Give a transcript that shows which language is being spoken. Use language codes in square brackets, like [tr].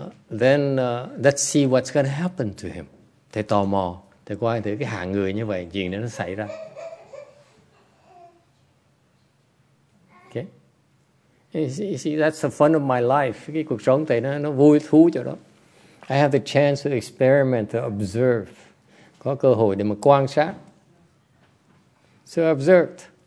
[en] Then let's see what's going to happen to him. [vi] Thầy tò mò, thầy coi thử cái hạng người như vậy chuyện nó xảy ra. [en] Okay, you see, that's the fun of my life. [vi] Cái cuộc sống thầy nó vui thú chỗ đó. [en] I have the chance to experiment, to observe. [vi] Có cơ hội để mà quan sát. [en] So I observed.